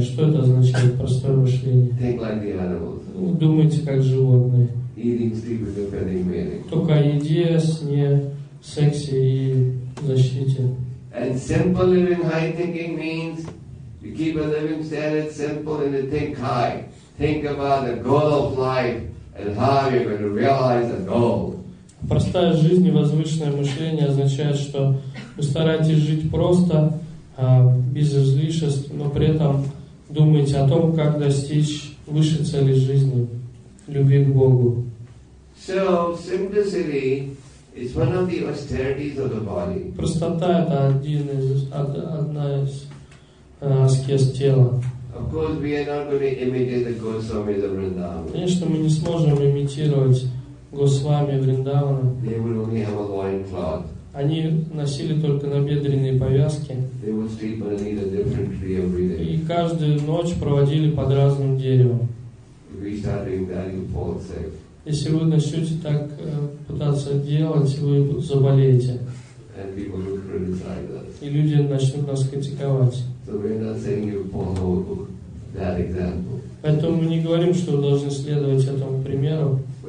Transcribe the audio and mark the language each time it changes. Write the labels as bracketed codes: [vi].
[ru] Что это означает, простое мышление? [en] Think like the animals. [ru] Думайте как животные. [en] Eating, sleeping, defending, mating. [ru] Только о еде, сне, сексе и защите. [en] And simple living, high thinking means you keep a living standard simple and you think high. Think about the goal of life and how you're going to realize the goal. [ru] Простая жизнь и возвышенное мышление означает, что вы стараетесь жить просто, без излишеств, но при этом думаете о том, как достичь высшей цели жизни, любви к Богу. [en] So, simplicity is one of the austerities of the body. [ru] Простота – это одна из аскез тела. [en] Of course, we are not going to imitate the Goswamis of Vrindavan. [ru] Конечно, мы не сможем имитировать Госвами Вриндавана. [en] They would only have a loincloth. [ru] Они носили только набедренные повязки. [en] They would sleep underneath a different tree every day. [ru] И каждую ночь проводили под разным деревом. [en] If we start doing that, you fall sick. [ru] Если вы начнете так пытаться делать, вы заболеете. [en] And people will criticize us. [ru] И люди начнут нас критиковать. [en] So we are not saying you follow that example. [ru] Поэтому мы не говорим, что вы должны следовать этому примеру.